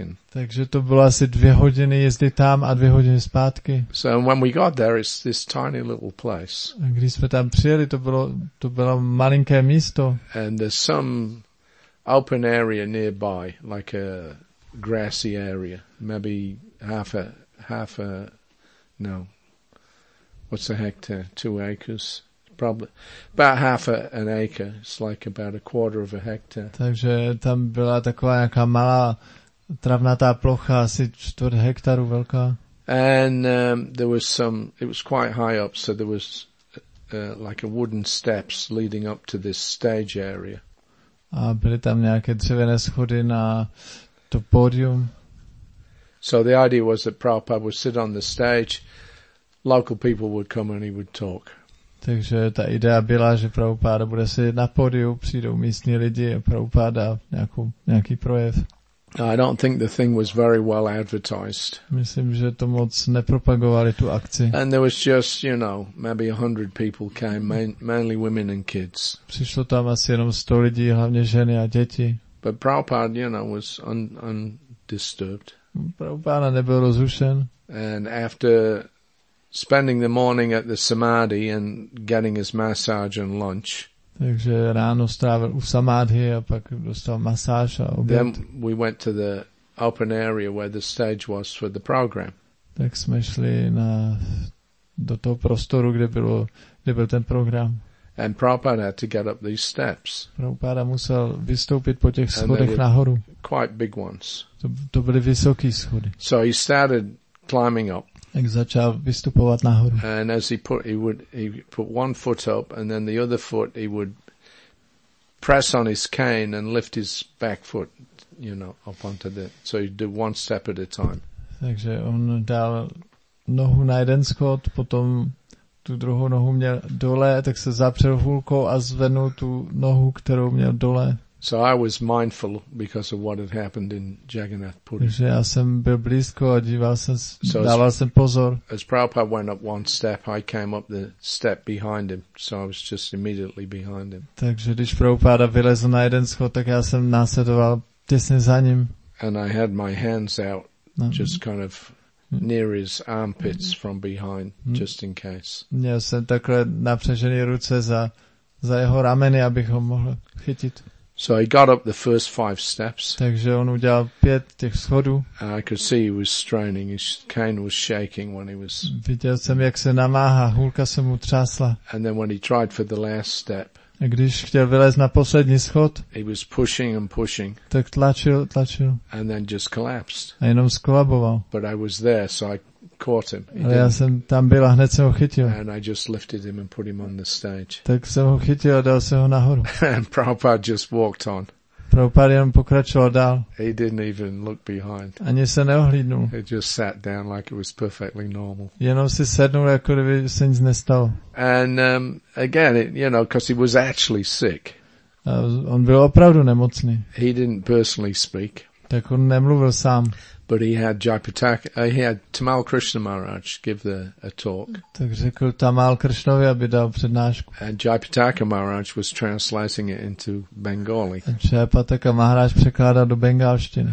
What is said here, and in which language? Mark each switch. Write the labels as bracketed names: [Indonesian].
[English] And... [Czech] Takže to bylo asi 2 hodiny jezdy tam a 2 hodiny zpátky. [English] So when we got there, it's this tiny little place. [Czech] A když jsme tam přijeli, to bylo malinké místo. [English] And there's some open area nearby, like a grassy area, maybe half a hectare, 2 acres. Probably about half an acre. It's like about a quarter of a hectare. [Czech] Takže tam byla taková nějaká malá travnatá plocha, asi čtvrt hektaru velká. [English] And there was some. It was quite high up, so there was like a wooden steps leading up to this stage area. [Czech] A byly tam nějaké dřevěné schody na to pódium. [English] So the idea was that Prabhupada would sit on the stage. Local people would come and he would talk. [Czech] Takže ta idea byla, že Prabhupada bude sedět na pódiu, přijdou místní lidi a Prabhupada nějaký projev. [English] I don't think the thing was very well advertised. [Czech] Myslím, že to moc nepropagovali tu akci. [English] And there was just, you know, maybe 100 people came, mainly women and kids. [Czech] Přišlo tam asi jenom 100 lidí, hlavně ženy a děti. [English] But Prabhupada, you know, was undisturbed. [Czech] Prabhupada nebyl rozrušen. [English] And after spending the morning at the samadhi and getting his massage and lunch. [Czech] Takže ráno strávil u samadhi a pak dostal masáž a oběd. [English] Then we went to the open area where the stage was for the program. [Czech] Tak jsme šli do toho prostoru, kde byl ten program. [English] And Prabhupada had to get up these steps. [Czech] Prabhupada musel vystoupit po těch schodech nahoru. [English] Quite big ones. [Czech] To byly vysoké schody. [English] So he started climbing up. [Czech] Tak začal vystupovat nahoru. [English] And as he put one foot up and then the other foot he would press on his cane and lift his back foot, you know, up onto the, so he'd do one step at a time. [Czech] Takže on dal nohu na jeden schod, potom tu druhou nohu měl dole, tak se zapřel hůlkou a zvednul tu nohu, kterou měl dole. [English] So I was mindful because of what had happened in Jagannath Puri. [Czech] Takže já jsem byl blízko a díval jsem, dával jsem pozor. [English] As Prabhupada went up one step, I came up the step behind him, so I was just immediately behind him. [Czech] Takže když Prabhupada vylezl na jeden schod, tak já jsem následoval těsně za ním. [English] And I had my hands out, just kind of near his armpits from behind, just in case. [Czech] Měl jsem takhle napřežené ruce za jeho rameny, abych ho mohl chytit. [English] So he got up the first 5 steps. [Czech] Takže on udělal 5 těch schodů. [English] I could see he was straining, his cane was shaking when he was. [Czech] Viděl jsem, jak se namáhá, hůlka se mu třásla. [English] And then when he tried for the last step. [Czech] A když chtěl vylézt na poslední schod. [English] He was pushing and pushing. [Czech] Tak tlačil. [English] And then just collapsed. [Czech] A jenom skolaboval. [English] But I was there, so I caught him. [Czech] Ale já jsem tam byl a hned jsem ho chytil. [English] And I just lifted him and put him on the stage. [Czech] Tak jsem ho chytil a dal jsem ho nahoru. [English] And Prabhupada just walked on. [Czech] Prabhupada jenom pokračoval dál. [English] He didn't even look behind. [Czech] Ani se neohlídnul. [English] He just sat down like it was perfectly normal. [Czech] Jenom si sednul, jako kdyby se nic nestalo. [English] And again, you know, because he was actually sick. [Czech] On byl opravdu nemocný. [English] He didn't personally speak. [Czech] Tak on nemluvil sám. [English] But he had Tamal Krishna Maharaj give a talk. [Czech] Tak řekl Tamal Krishnovi, aby dal přednášku. [English] And Jayapataka Maharaj was translating it into Bengali. [Czech] A Jayapataka Maharaj překládal do bengalštiny.